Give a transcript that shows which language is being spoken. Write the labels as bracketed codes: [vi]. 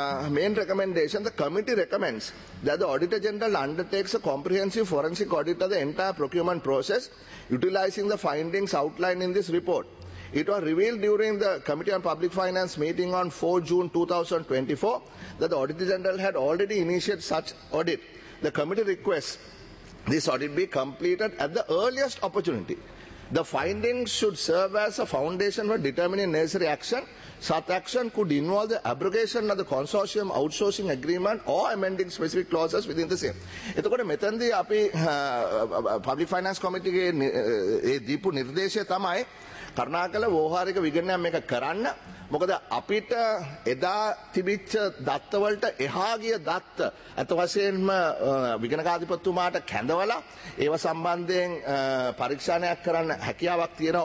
[en] main recommendation the committee recommends that the auditor general undertakes a comprehensive forensic audit of the entire procurement process utilizing the findings outlined in this report. It was revealed during the committee on public finance meeting on 4 June 2024 that the auditor general had already initiated such audit. The committee requests this audit be completed at the earliest opportunity. The findings should serve as a foundation for determining necessary action. Such action could involve the abrogation of the consortium outsourcing agreement or amending specific clauses within the same. [si] එතකොට මෙතනදී අපි [en] public finance committee [si] ගේ ඒ දීපු නිර්දේශය තමයි කරුණාකර වෝහාරික විගණනය මේක කරන්න. මොකද අපිට එදා තිබිච්ච දත්ත වලට එහා ගිය දත්ත අත වශයෙන්ම විගණකාධිපතිතුමාට කැඳවලා ඒව සම්බන්ධයෙන් පරීක්ෂණයක් කරන්න හැකියාවක් තියෙනවා.